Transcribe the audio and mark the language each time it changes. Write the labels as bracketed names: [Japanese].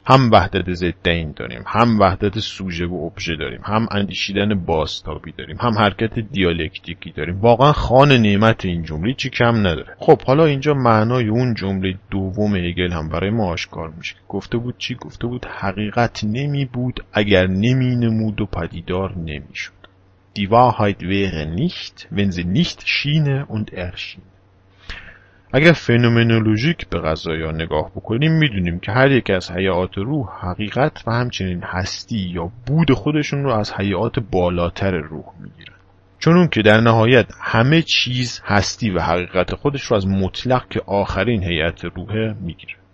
[Persian] هم وحدت زدین داریم، هم وحدت سوژه و ابژه داریم، هم اندیشیدن بازتابی داریم، هم حرکت دیالکتیکی داریم. واقعا خان نعمت این جمله چی کم نداره. خب حالا اینجا معنای اون جمله دوم هگل هم برای ما آشکار میشه. گفته بود چی؟ گفته بود حقیقت نمی بود اگر نمی نمود و پدیدار نمی شد. [German] Die Wahrheit wäre nicht, wenn sie nicht schiene und erschien. [Persian] اگر فنومنولوژیک به قضايا نگاه بکنیم میدونیم که هر یک از حیات روح حقیقت و همچنین هستی یا بود خودشون رو از حیات بالاتر روح میگیرن، چون اون که در نهایت همه چیز هستی و حقیقت خودش رو از مطلق که آخرین حیات روح میگیره.